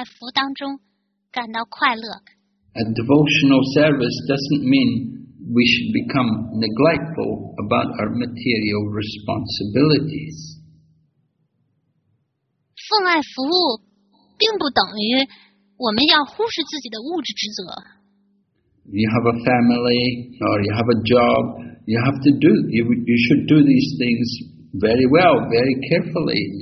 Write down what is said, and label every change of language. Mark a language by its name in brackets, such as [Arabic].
[Chinese] 随着我们继续做服务，我们就变得不依附物质，不再焦虑，免除了压力，而且变得在奉爱服务当中感到快乐。 [English] A devotional service doesn't mean we should become neglectful about our material responsibilities. [Chinese] 奉爱服务并不等于我们要忽视自己的物质职责。 [English] You have a family or you have a job, you have to do, you should do these things very well, very carefully.